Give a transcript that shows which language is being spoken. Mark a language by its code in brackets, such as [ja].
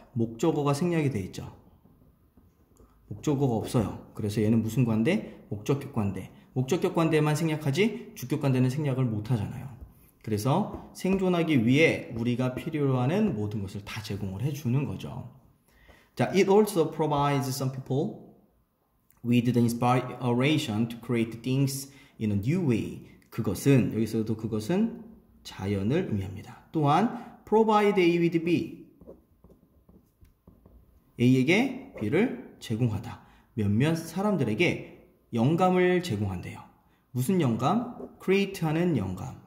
[ko] 목적어가 생략이 돼 있죠. 목적어가 없어요. 그래서 얘는 무슨 관대? 목적 격관대. 목적 격관대만 생략하지 주격 관대는 생략을 못 하잖아요. 그래서 생존하기 위해 우리가 필요로 하는 모든 것을 다 제공을 해 주는 거죠. [en] 자, it also provides some people with the inspiration to create things in a new way. [ko] 그것은 여기서도 그것은 자연을 의미합니다. 또한 [en] Provide A with B. [ko] A에게 B를 제공하다. 몇몇 사람들에게 영감을 제공한대요. 무슨 영감? Create 하는 영감.